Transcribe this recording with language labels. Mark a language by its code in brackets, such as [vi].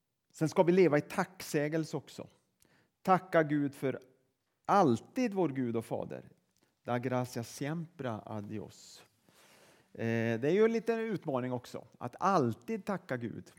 [sv] Sen ska vi leva i tacksägelse också. Tacka Gud för alltid vår Gud och Fader. [es] Da gracias siempre a Dios. [sv] Det är ju en liten utmaning också. Att alltid tacka Gud.